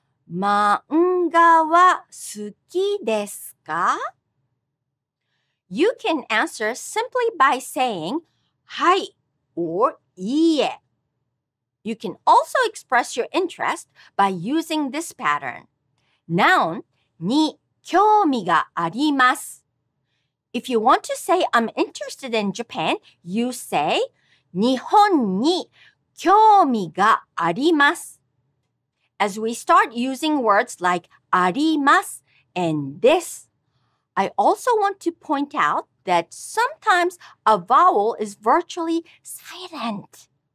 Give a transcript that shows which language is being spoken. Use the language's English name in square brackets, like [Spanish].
[Japanese] Manga wa suki desu ka? [English] You can answer simply by saying hai or ie. You can also express your interest by using this pattern. [Japanese] Noun に興味があります。 [English] If you want to say I'm interested in Japan, you say [Japanese] 日本に興味があります。 [English] As we start using words like あります and this, I also want to point out that sometimes a vowel is virtually silent.